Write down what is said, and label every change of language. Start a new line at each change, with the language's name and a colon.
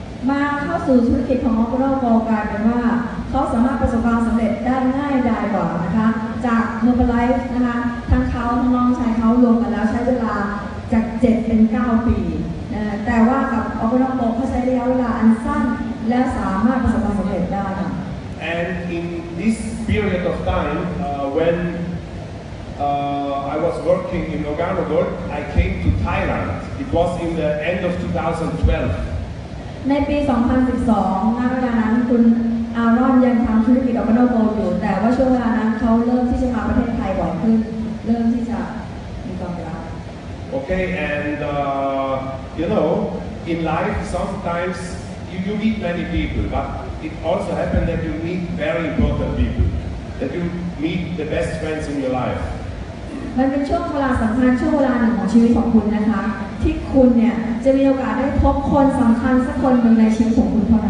Thai: มาเข้าสู่ธุรกิจของออกราโกกลายเป็นว่าเขาสามารถประสบความสำเร็จได้ง่ายดายกว่านะคะจาก Herbalife นะคะทั้งเขาทั้งน้องชายเขารวมกันแล้วใช้เวลาจาก7 เป็น 9 ปีแต่ว่ากับออกราโกเขาใช้ระยะเวลาอันสั้นและสามารถประสบความสำเร็จได้
English: And in this period of time, when I was working in Organo Gold, I came to Thailand. It was in the end of 2012.
Thai: ในปี2012ณเวลานั้นคุณอารอนยังทำธุรกิจ Organo Gold อยู่แต่ว่าช่วงเวลานั้นเขาเริ่มที่จะมาประเทศไทยบ่อยขึ้นเริ่มที่จะมีความรัก
English: Okay, and you know, in life sometimes you meet many people, butIt also happened that you meet very important people, that you meet the best friends in your life.
Thai: มันเป็นช่วงเวลาสำคัญช่วงเวลาหนึ่งของชีวิตของคุณนะคะที่คุณเนี่ยจะมีโอกาสได้พบคนสำคัญสักคนหนึ่งในชีวิตของคุณเท่าน